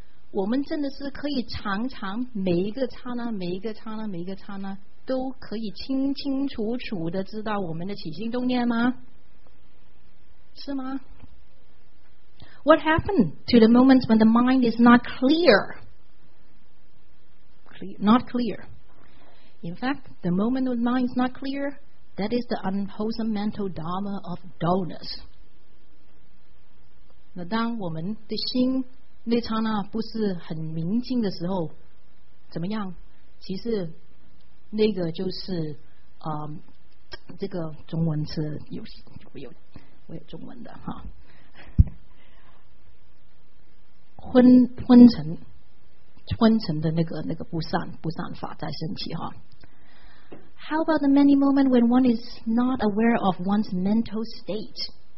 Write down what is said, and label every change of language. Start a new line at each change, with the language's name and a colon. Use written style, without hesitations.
Chinese: 我们真的是可以常常每一个刹那、每一个刹那、每一个刹那都可以清清楚楚的知道我们的起心动念吗？是吗
English: ？What happened to the moments when the mind is not clear? Not clear. In fact, the moment when the mind is not clear, that is the unwholesome mental dharma of dullness.
Chinese: 那当我们的心那刹那不是很明净的时候，怎么样？其实那个就是这个中文词我有中文的哈，昏沉的那个不善法在升起哈。
English: How about the many moments when one is not aware of one's mental state?